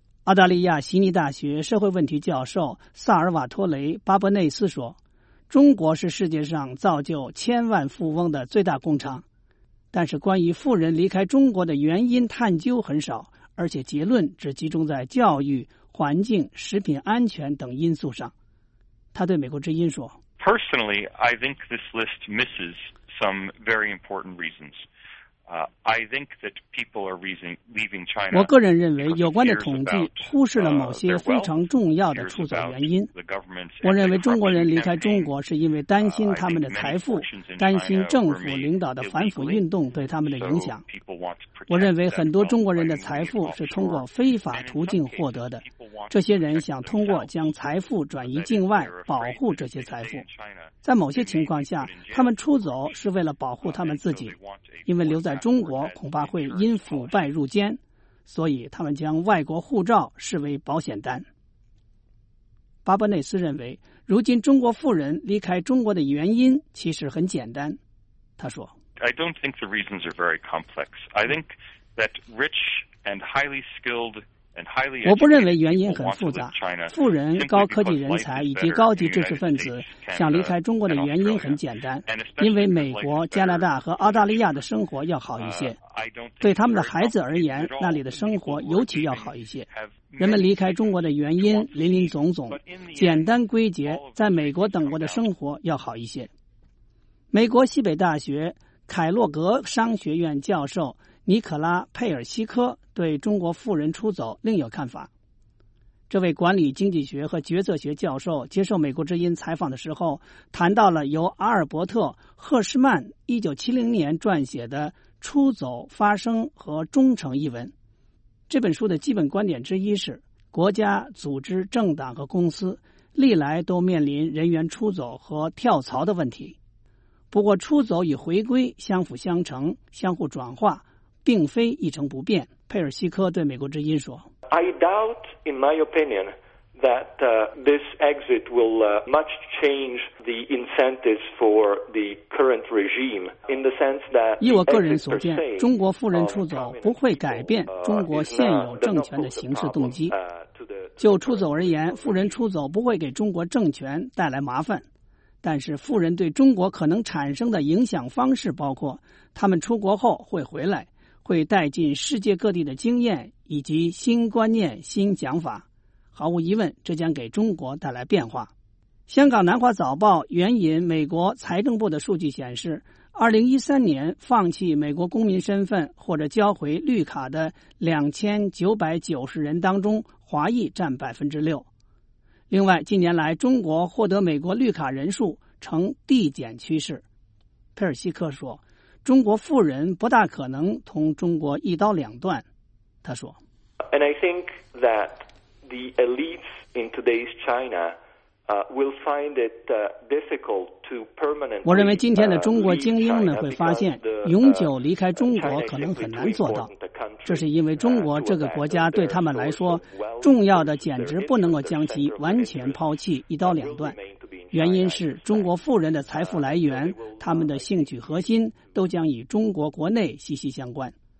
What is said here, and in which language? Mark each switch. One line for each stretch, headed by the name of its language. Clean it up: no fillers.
Chinese: 澳大利亚悉尼大学社会问题教授萨尔瓦托雷·巴伯内斯说，中国是世界上造就千万富翁的最大工厂，但是关于富人离开中国的原因探究很少，而且结论只集中在教育、环境、食品安全等因素上。他对美国之音说，
English: Personally, I think this list misses some very important reasons. I think that people are leaving China.
Chinese: 我个人认为有关的统计忽视了某些非常重要的出走原因。我认为中国人离开中国是因为担心他们的财富，担心政府领导的反腐运动对他们的影响。我认为很多中国人的财富是通过非法途径获得的，这些人想通过将财富转移境外保护这些财富。在某些情况下，他们出走是为了保护他们自己，因为留在中国恐怕会因腐败入监，所以他们将外国护照视为保险单。巴伯内斯认为，如今中国富人离开中国的原因其实很简单。他说，
English: I don't think the reasons are very complex. I think that rich and highly skilled and highly educated.
Chinese: 我不认为原因很复杂。富人、高科技人才以及高级知识分子想离开中国的原因很简单，因为美国、加拿大和澳大利亚的生活要好一些。对他们的孩子而言，那里的生活尤其要好一些。人们离开中国的原因林林总总，简单归结在美国等国的生活要好一些。美国西北大学凯洛格商学院教授尼可拉·佩尔西科对中国富人出走另有看法。这位管理经济学和决策学教授接受美国之音采访的时候，谈到了由阿尔伯特·赫施曼1970年撰写的《出走、发生和忠诚》一文。这本书的基本观点之一是，国家、组织、政党和公司历来都面临人员出走和跳槽的问题。不过出走与回归相辅相成，相互转化，并非一成不变。佩尔西科对美国之音说，
English: I doubt, in my opinion, that this exit will much change the incentives for the current regime in the sense that,
Chinese: 以我个人所见，中国富人出走不会改变中国现有政权的行事动机。就出走而言，富人出走不会给中国政权带来麻烦，但是富人对中国可能产生的影响方式包括他们出国后会回来，会带进世界各地的经验以及新观念、新讲法，毫无疑问，这将给中国带来变化。香港南华早报援引美国财政部的数据显示，2013年放弃美国公民身份或者交回绿卡的2990人当中，华裔占6%。另外，近年来中国获得美国绿卡人数呈递减趋势。佩尔西科说，中国富人不大可能同中国一刀两断，他说。
English: And I think that the elites in today's China will find it difficult to permanently.
Chinese: 我认为今天的中国精英们会发现，永久离开中国可能很难做到。这是因为中国这个国家对他们来说重要的，简直不能够将其完全抛弃、一刀两断。原因是中国富人的财富来源，他们的兴趣核心都将与中国国内息息相关。